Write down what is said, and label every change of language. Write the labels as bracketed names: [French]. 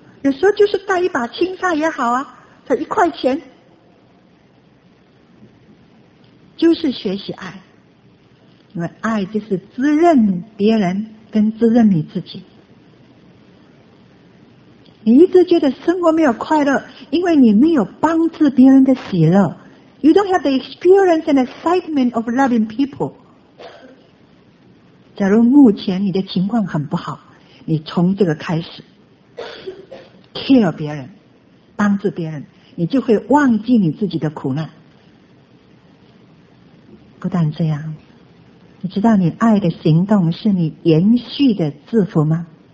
[Chinese] 有时候就是带一把青菜也好啊，才1块钱，就是学习爱，因为爱就是滋润别人跟滋润你自己。你一直觉得生活没有快乐，因为你没有帮助别人的喜乐。 [English] You don't have the experience and excitement of loving people。 [Chinese] 假如目前你的情况很不好，你从这个开始 care 别人，帮助别人，你就会忘记你自己的苦难。不但这样，你知道你爱的行动是你延续的祝福吗？